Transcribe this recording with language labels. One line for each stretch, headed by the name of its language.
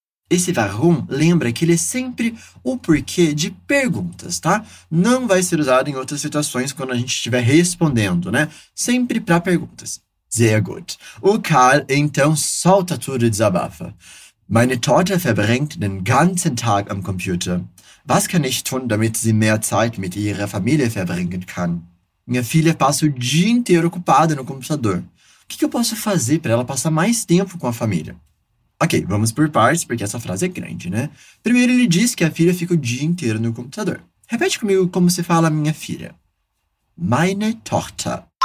Portuguese: Esse warum lembra que ele é sempre o porquê de perguntas, tá? Não vai ser usado em outras situações quando a gente estiver respondendo, né? Sempre para perguntas.
German: Sehr gut.
Portuguese: O Karl então solta tudo e desabafa.
German: Meine Tochter verbringt den ganzen Tag am Computer. Was kann ich tun, damit sie mehr Zeit mit ihrer Familie verbringen kann?
Portuguese: Minha filha passa o dia inteiro ocupada no computador. O que eu posso fazer para ela passar mais tempo com a família? Ok, vamos por partes, porque essa frase é grande, né? Primeiro, ele diz que a filha fica o dia inteiro no computador. Repete comigo como se fala minha filha.
German: Meine Tochter.